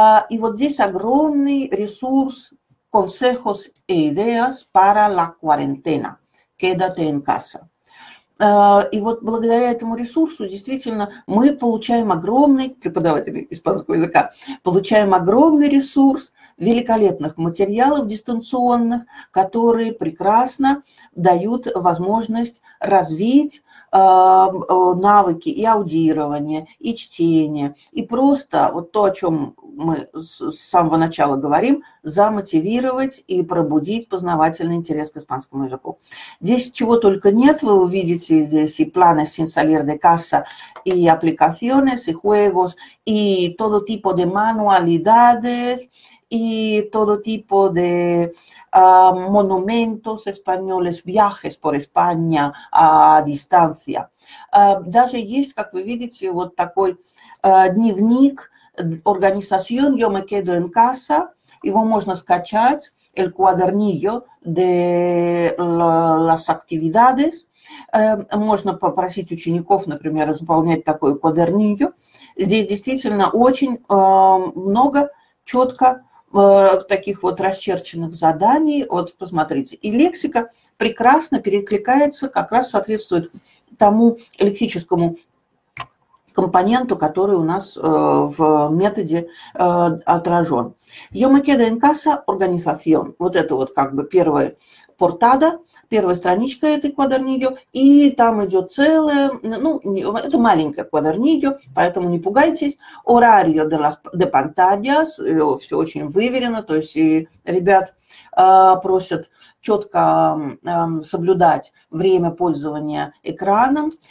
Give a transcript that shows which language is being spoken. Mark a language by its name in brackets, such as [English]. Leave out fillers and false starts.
[Spanish] И вот здесь огромный ресурс «Consejos e ideas para la cuarentena». «Quédate en casa». [Russian] И вот благодаря этому ресурсу действительно мы получаем огромный, преподаватели испанского языка, получаем огромный ресурс великолепных материалов дистанционных, которые прекрасно дают возможность развить навыки и аудирования, и чтения, и просто вот то, о чем мы с самого начала говорим, замотивировать и пробудить познавательный интерес к испанскому языку. Здесь чего только нет, вы увидите здесь и planes sin salir de casa, и aplicaciones, и juegos, и todo tipo de manualidades, и todo tipo de monumentos españoles, viajes por España a distancia. Даже есть, как вы видите, вот такой дневник «Organización Yo me quedo en casa». Его можно скачать, «El cuadernillo de las actividades». Можно попросить учеников, например, заполнять такой cuadernillo. Здесь действительно очень много четко таких вот расчерченных заданий. Вот посмотрите. И лексика прекрасно перекликается, как раз соответствует тому лексическому компоненту, который у нас в методе отражен. [Spanish] «Yo me quedo en casa, organización». [Russian] Вот это вот как бы первая портада, первая страничка этой cuadernillo, и там идет целая, ну, это маленькая cuadernillo, поэтому не пугайтесь. «Horario de las de pantallas», все очень выверено, то есть и ребят просят четко соблюдать время пользования экраном.